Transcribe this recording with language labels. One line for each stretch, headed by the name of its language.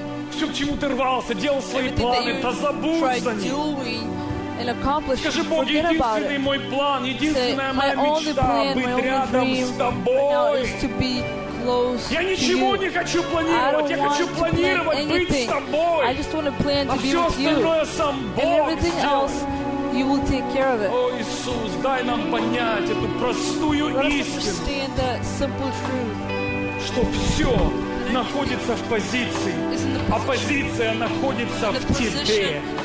Russian: Все, к чему ты рвался, делал свои планы, позабудь за Ним.
English: And accomplish.
Russian: Скажи, Бог, единственный мой план, единственная моя мечта быть рядом с тобой. Я ничего не хочу планировать, я хочу планировать быть с тобой.
English: I just want to plan to be with you.
Russian: А все остальное сам Бог.
English: And everything else, you will take care of it.
Russian: О, Иисус, дай нам понять эту простую истину, что все находится в позиции, а позиция находится в тебе.